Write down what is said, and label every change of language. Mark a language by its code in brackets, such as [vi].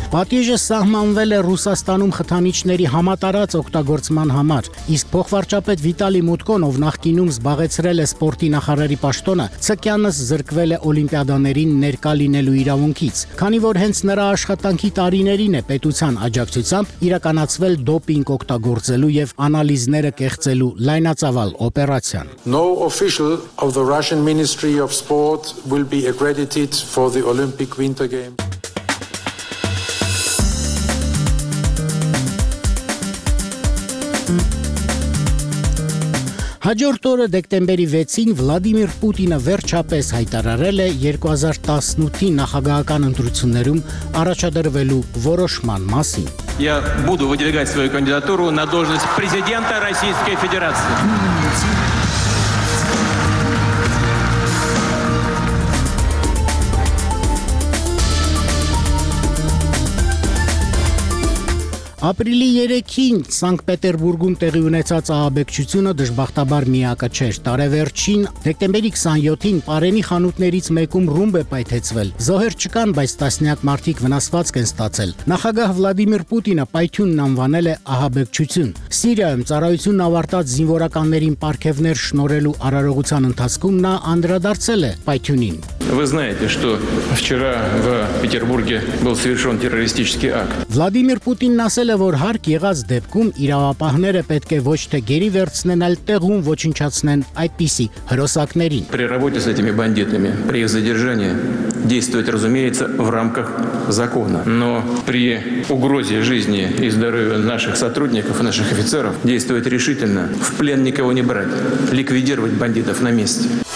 [hy] Պատիժը սահմանվել է Ռուսաստանում խթանիչների համատարած օգտագործման համար, իսկ փոխվարչապետ Վիտալի Մուտկոն, ով նախկինում զբաղեցրել է սպորտի նախարարի պաշտոնը, ցկյանս զրկվել է օլիմպիադաներին ներկա լինելու իրավունքից, քանի որ հենց նրա աշխատանքի տարիներին է պետության աջակցությամբ իրականացվել դոպինգ օգտագործելու եւ անալիզները կեղծելու լայնածավալ օպերացիան։ [en] No official of the Russian Ministry of Sport will be accredited for the Olympic Winter Games. [hy] Հաջորդ օրը դեկտեմբերի 6-ին Վլադիմիր Պուտինը վերջապես հայտարարել է 2018-ի նախագահական ընտրություններում առաջադրվելու որոշման մասին։ [ru] Я буду выдвигать свою кандидатуру на должность президента Российской Федерации. [hy] Ապրիլի 3-ին Սանկտպետերբուրգում տեղի ունեցած ահաբեկչությունը դժբախտաբար միակը չէր։ Տարեվերջին դեկտեմբերի 27-ին Պարենի խանութներից մեկում ռումբ է պայթեցվել։ Զոհեր չկան, բայց տասնյակ մարդիկ վնասվածք են ստացել։ Նախագահ Վլադիմիր Պուտինը պայթյունն անվանել է ահաբեկչություն։ Սիրիայում ծառայությունն ավարտած զինվորականներին պարգևներ շնորհելու արարողության ընթացքում նա անդրադարձել է պայթյունին։ [ru] Вы знаете, что вчера в Петербурге был совершён террористический акт. [hy] Владимир Путин ասել է, որ հարկ եղած դեպքում իրավապահները պետք է ոչ թե գերի վերցնեն, այլ տեղում ոչնչացնեն այդպիսի հրոսակներին։ [ru] При работе с этими бандитами, при их задержании действовать, разумеется, в рамках закона. Но при угрозе жизни и здоровью наших сотрудников, наших офицеров действовать решительно, в плен никого не брать, ликвидировать бандитов на месте.